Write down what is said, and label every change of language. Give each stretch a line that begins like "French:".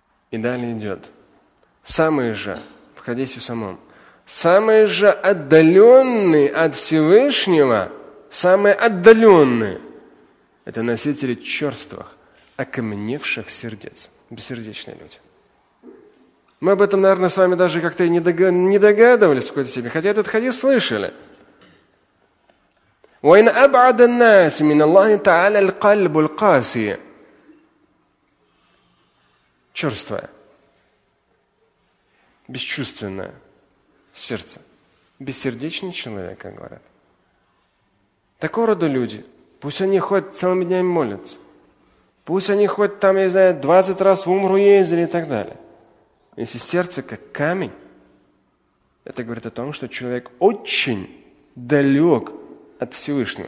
Russian: И далее идет. Самые же, в хадисе в самом, самые же отдаленные от Всевышнего, самые отдаленные – это носители черствых, окаменевших сердец, бессердечные люди. Мы об этом, наверное, с вами даже как-то и не догадывались в какой-то степени, хотя этот хадис слышали.
Arabic: وَإِنْ أَبْعَدَ النَّاسِ مِنَ اللَّهِ تَعَالَى الْقَلْبُ الْقَاسِيَ
Russian: Черствое, бесчувственное сердце, бессердечный человек, как говорят. Такого рода люди, пусть они хоть целыми днями молятся, пусть они хоть там, я не знаю, 20 раз в умру ездили и так далее. Если сердце как камень, это говорит о том, что человек очень далек от Всевышнего.